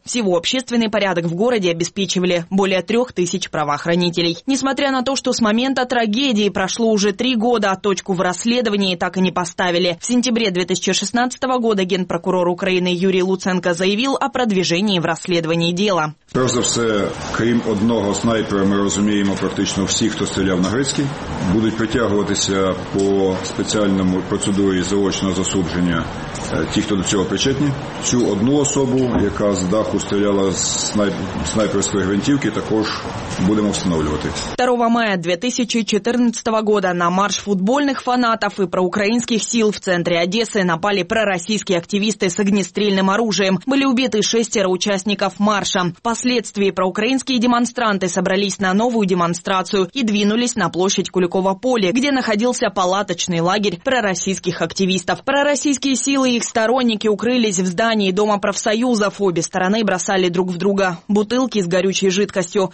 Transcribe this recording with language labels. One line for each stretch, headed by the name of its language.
Russian: Всего общественный порядок в городе обеспечивали более 3000 правоохранителей. Несмотря на то, что с момента трагедии прошло уже 3 года, а точку в расследовании так и не поставили. В сентябре 2016 года генпрокурор Украины Юрий Луценко заявил о продвижении в расследовании дела.
Ukrainian: Перш за все, крім одного снайпера, ми розуміємо практично всіх, хто стріляв на Грицький. Будуть притягуватися по спеціальному процедурі заочного засудження ті, хто до цього причетні. Цю одну особу, яка з даху стріляла з снайперської гвинтівки, також будемо встановлювати. 2 мая 2014 года на марш футбольних фанатів і проукраїнських сил в центрі Одеси напали проросійські активісти з огнестрільним оружием. Були вбиті 6 учасників марша.
Russian: Впоследствии проукраинские демонстранты собрались на новую демонстрацию и двинулись на площадь Куликова поля, где находился палаточный лагерь пророссийских активистов. Пророссийские силы и их сторонники укрылись в здании Дома профсоюзов. Обе стороны бросали друг в друга бутылки с горючей жидкостью.